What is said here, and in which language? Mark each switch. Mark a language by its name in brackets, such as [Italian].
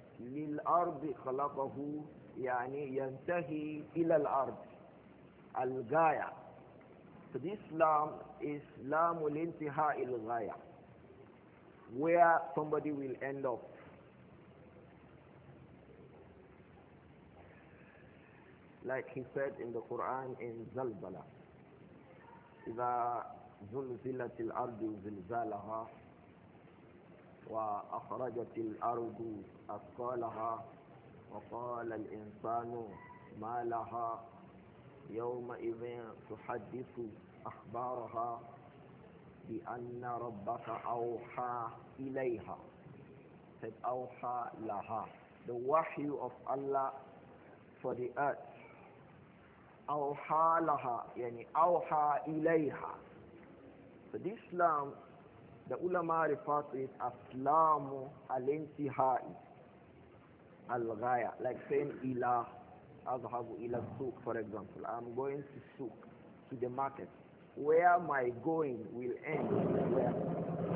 [Arabic] لِلْأَرْضِ خَلَقَهُ يعني يَنْتَهِي إِلَى الْأَرْضِ الْغَايَة. [English] So this لام is [Arabic] لام الانتهاء الغاية, [English] where somebody will end up. Like he said in the Quran in Zalzala, [Arabic] إِذَا زُلْزِلَتِ الْأَرْضُ زِلْزَالَهَا وأخرجت الأرض أثقالها وقال الإنسان ما لها يومئذ تحدث أخبارها بأن ربك أوحى إليها. Said أوحى لها. [English] The wahy of Allah for the earth. [Arabic] أوحى لها يعني أوحى إليها. [English] So this lamb, the ulama refers to it as [Arabic] lamu al-intihai al-ghaya, [English] like saying ilah, [Arabic] azhabu ila souq, [English] for example. I'm going to souq, to the market. Where my going will end?